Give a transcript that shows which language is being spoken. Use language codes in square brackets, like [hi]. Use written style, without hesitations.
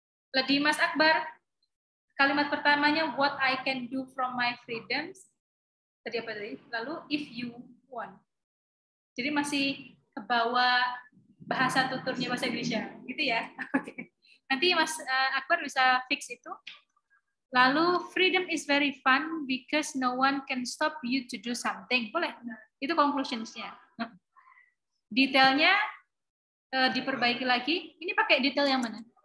[id] Lagi Mas Akbar, kalimat pertamanya [en] what I can do from my freedoms. [id] Tadi apa tadi? [en] Lalu if you want. [id] Jadi masih kebawa bahasa tuturnya bahasa Indonesia, gitu ya? Oke. Nanti Mas Akbar bisa fix itu. [en] Lalu, freedom is very fun because no one can stop you to do something. [id] Boleh? Itu conclusions-nya. Detailnya diperbaiki lagi. Ini pakai detail yang mana?